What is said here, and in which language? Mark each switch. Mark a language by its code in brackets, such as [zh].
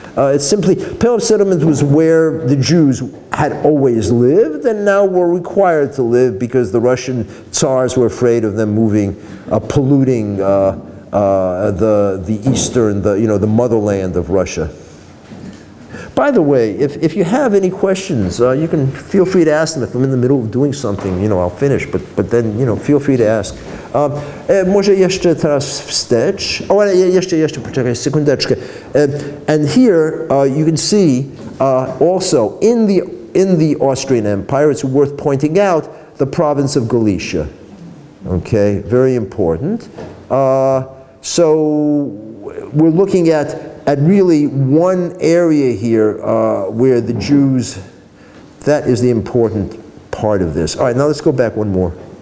[en] It's simply, Pale of Settlement was where the Jews had always lived and now were required to live because the Russian Tsars were afraid of them moving, polluting the eastern, the motherland of Russia. By the way, if you have any questions, you can feel free to ask them. If I'm in the middle of doing something, you know, I'll finish, but then, you know, feel free to ask. [pl] Może jeszcze teraz wstecz. [en] Oh, [pl] jeszcze, poczekaj, sekundeczkę. [en] And here, you can see, also, in the Austrian Empire, it's worth pointing out, the province of Galicia. Okay, very important. So, we're looking at really one area here where the Jews, that is the important part of this. All right, now let's go back one more.